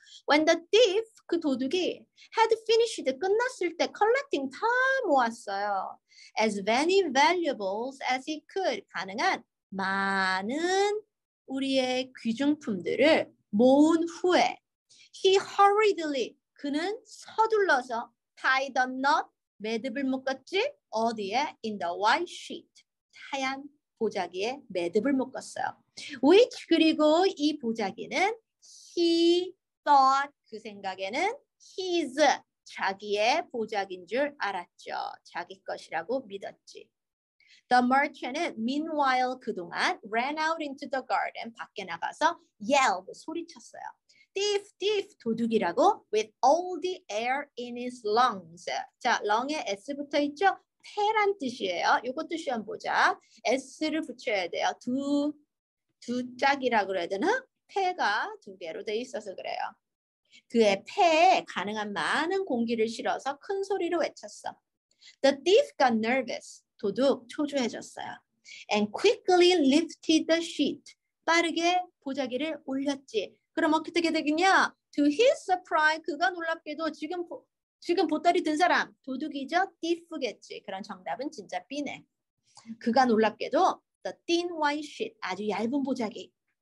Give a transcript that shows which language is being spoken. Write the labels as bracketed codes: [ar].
[en] When the thief, [ko] 그 도둑이 [en] had finished, [ko] 끝났을 때 [en] collecting [ko] 다 모았어요. [en] As many valuables as he could. [ko] 가능한 많은 우리의 귀중품들을 모은 후에 [en] he hurriedly, [ko] 그는 서둘러서 [en] tied the knot, [ko] 매듭을 묶었지? 어디에? [en] In the white sheet, [ko] 하얀 보자기에 매듭을 묶었어요. Which, 그리고 이 보자기는 [en] he thought, [ko] 그 생각에는 his, 자기의 보자기인 줄 알았죠. 자기 것이라고 믿었지. [en] The merchant은 meanwhile, [ko] 그동안 [en] ran out into the garden, [ko] 밖에 나가서 [en] yelled, [ko] 소리쳤어요. [en] Thief, thief, [ko] 도둑이라고 [en] with all the air in his lungs. [ko] 자, lung에 S 붙어있죠? 폐란 뜻이에요. 이것도 시험 보자. S를 붙여야 돼요. 두 짝이라고 그래야 되나? 폐가 두 개로 돼 있어서 그래요. 그의 폐에 가능한 많은 공기를 실어서 큰 소리로 외쳤어. [en] The thief got nervous. [ko] 도둑 초조해졌어요. [en] And quickly lifted the sheet. [ko] 빠르게 보자기를 올렸지. 그럼 어떻게 되겠냐? [en] To his surprise, [ko] 그가 놀랍게도 지금 보따리 든 사람, 도둑이죠? Thief겠지. 그런 정답은 진짜 B네. 그가 놀랍게도 [en] the thin white sheet, [ko] 아주 얇은 보자기.